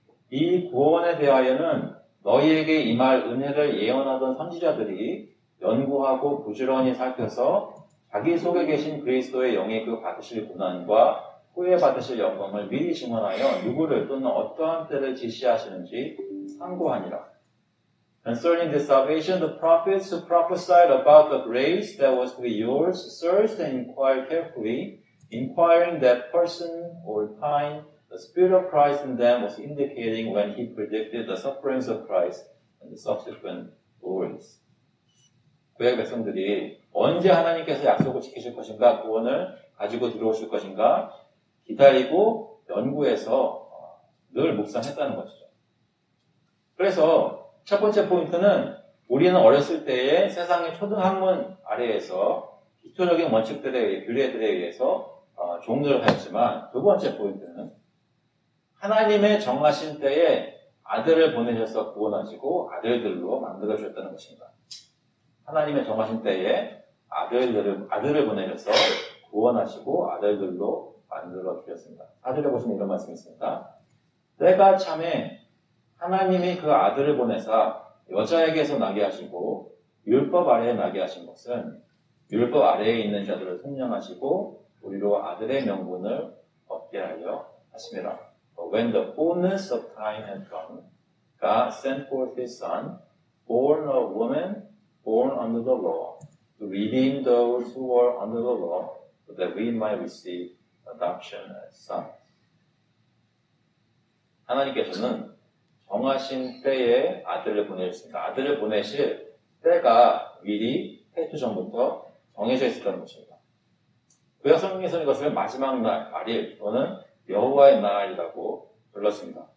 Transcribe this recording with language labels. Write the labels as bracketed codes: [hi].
[ko] 이 구원에 대하여는 너희에게 임할 은혜를 예언하던 선지자들이 연구하고 부지런히 살펴서 자기 속에 계신 그리스도의 영의 그 받으실 고난과 후에 받으실 영광을 미리 증언하여 누구를 또는 어떠한 때를 지시하시는지 상고하니라. [en] Concerning this salvation, the prophets who prophesied about the grace that was to be yours searched and inquired carefully, inquiring that person or time the Spirit of Christ in them was indicating when he predicted the sufferings of Christ and the subsequent glories. [ko] 구약 백성들이 언제 하나님께서 약속을 지키실 것인가, 구원을 가지고 들어오실 것인가 기다리고 연구해서 늘 묵상했다는 것이죠. 그래서 첫 번째 포인트는 우리는 어렸을 때에 세상의 초등학문 아래에서 기초적인 원칙들에 의해 규례들에 의해서 종교를 하였지만 두 번째 포인트는 하나님의 정하신 때에 아들을 보내셔서 구원하시고 아들들로 만들어주셨다는 것입니다. 하나님의 정하신 때에 아들을 보내셔서 구원하시고 아들들로 만들어주셨습니다. 4절에 보시면 이런 말씀이 있습니다. 때가 참에 하나님이 그 아들을 보내사 여자에게서 나게 하시고 율법 아래에 나게 하신 것은 율법 아래에 있는 자들을 성령하시고 우리로 아들의 명분을 얻게 하려 하십니다. [en] When the fullness of time had come, God sent forth His Son, born of woman, born under the law, to redeem those who were under the law, so that we might receive adoption as sons. [ko] 하나님께서는 정하신 때에 아들을 보내셨습니다. 아들을 보내실 때가 미리 태초전부터 정해져 있었다는 것입니다. 구약 성경에서는 이것을 마지막 날, 말일 또는 여호와의 날이라고 불렀습니다.